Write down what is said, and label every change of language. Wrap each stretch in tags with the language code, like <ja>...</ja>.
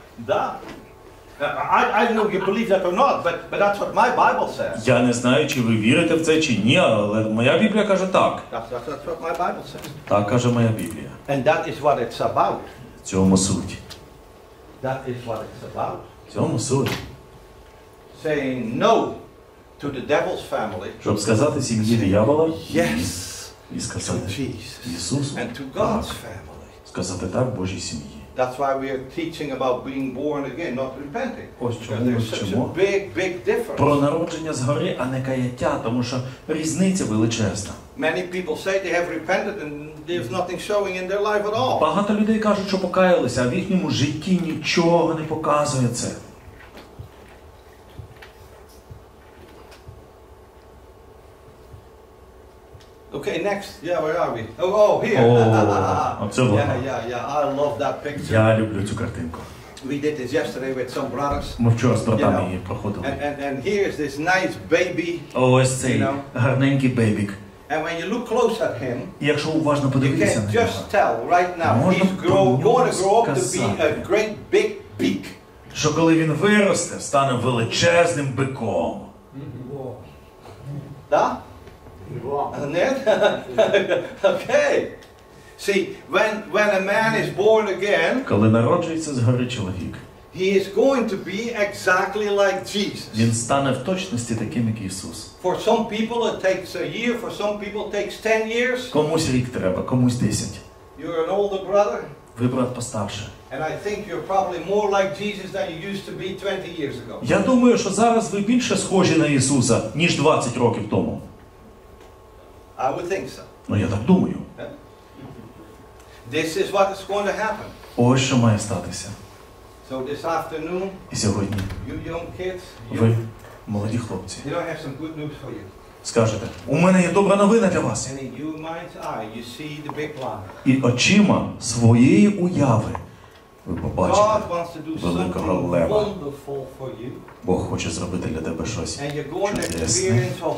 <en>Да. I don't know if you believe that or not, but that's what my Bible says.</en> <uk>Я не знаю, чи ви вірите в це чи ні, але моя Біблія каже так.</uk> <en>That's what my Bible says.</en> <uk>Так каже моя Біблія.</uk> <en>And that is what it's about.</en> <uk>Цьому суть.</uk> <en>That is what it's about.</en> <uk>Цьому суть.</uk> <en>Saying no to the devil's family.</en> <uk>Щоб сказати сім'ї диявола?</uk> <en>Yes.</en> <uk>І сказати Ісусу,</uk> <en>and to God's family.</en> <uk>Сказати так Божій сім'ї.</uk> <en>That's why we are teaching about being born again, not repenting.</en> <uk>Ось чому,</uk> <en>big difference.</en> <uk>Про народження згори, а не каяття, тому що різниця величезна.</uk> <en>Many people say they have repented and there's nothing showing in their life at all.</en> <uk>Багато людей кажуть, що покаялися, а в їхньому житті нічого не показує це.</uk> <en>Okay, next. Yeah, where are we? Oh, here. I love that picture.</en> <uk>Я люблю цю картинку.</uk> <en>We did this yesterday with some brothers.</en> <uk>Ми вчора з братами її проходили.</uk> <en>And here is this nice baby.</en> <uk>Oh, ось цей гарненький бебік.</uk> <en>And when you look close at him,</en> <uk>якщо уважно подивитися на нього,</uk> <en>you can just tell right now he's going to grow up to be a great big beak.</en> <uk>Що коли він виросте, стане величезним биком.</uk> <ru>Да? Нет? Okay.</ru> <en>See, when a man is born again,</en> <uk>коли народжується згори чоловік,</uk> <en>he is going to be exactly like Jesus.</en> <uk>Він стане в точності таким, як Ісус.</uk> <en>For some people it takes a year, for some people it takes 10 years.</en> <uk>Комусь рік треба, комусь 10.</uk> <en>You're an older brother.</en> <uk>Ви брат постарше.</uk> <en>And I think you're probably more like Jesus than you used to be 20 years ago.</en> <uk>Я думаю, що зараз ви більше схожі на Ісуса, ніж 20 років тому.</uk> <en>I would think so.</en> <uk>Ну, я так думаю.</uk> <en>This is what is going to happen.</en> <uk>Ось що має статися.</uk> <en>So this afternoon,</en> <uk>і сьогодні,</uk> <en>you young kids,</en> <uk>ви, молоді хлопці,</uk> <en>you know, I have some good news for you.</en> <uk>Скажете, у мене є добра новина для вас.</uk> <en>And in your mind's eye, you see the big plan.</en> <uk>І очима своєї уяви ви побачите великого лева. Бог хоче зробити для тебе щось чудесне.</uk>